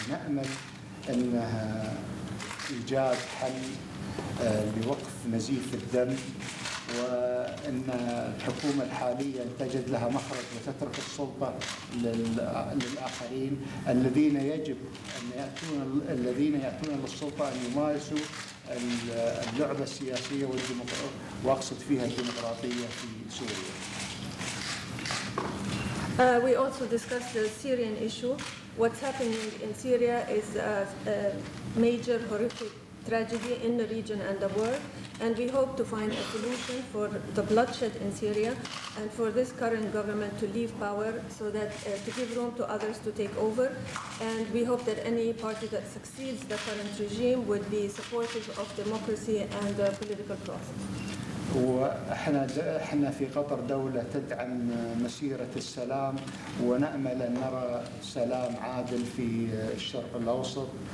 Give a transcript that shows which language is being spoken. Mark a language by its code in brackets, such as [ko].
[ar] نأمل أن إيجاد حل لوقف نزيف الدم، وأن الحكومة الحالية تجد لها مخرج وتترك السلطة للآخرين الذين يجب أن يأتون للسلطة أن يمارسوا اللعبة السياسية والديمقراطية، وأقصد فيها الديمقراطية في سوريا. [en] We also discussed the Syrian issue. What's happening in Syria is a major horrific tragedy in the region and the world, and we hope to find a solution for the bloodshed in Syria and for this current government to leave power so that to give room to others to take over. And we hope that any party that succeeds the current regime would be supportive of democracy and the political process. [ar] وإحنا في قطر دولة تدعم مسيرة السلام، ونأمل أن نرى سلام عادل في الشرق الأوسط.